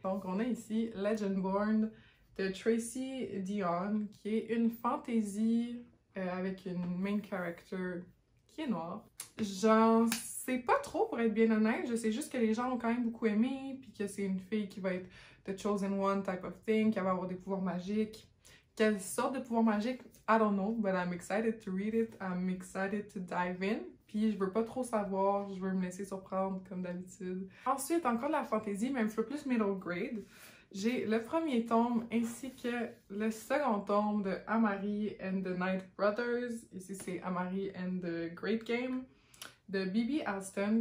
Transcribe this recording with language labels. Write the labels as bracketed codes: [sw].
[fr] Donc, on a ici Legendborn de Tracy Dion, qui est une fantasy avec une main character qui est noir. J'en sais pas trop pour être bien honnête, je sais juste que les gens ont quand même beaucoup aimé, puis que c'est une fille qui va être [en] the chosen one type of thing, [fr] qui va avoir des pouvoirs magiques. Quelle sorte de pouvoir magique? [en] I don't know, but I'm excited to read it, I'm excited to dive in. [fr] Puis je veux pas trop savoir, je veux me laisser surprendre comme d'habitude. Ensuite, encore de la fantasy, mais un peu plus middle grade. J'ai le premier tome ainsi que le second tome de Amari and the Night Brothers. Ici, c'est Amari and the Great Game de Bibi Alston.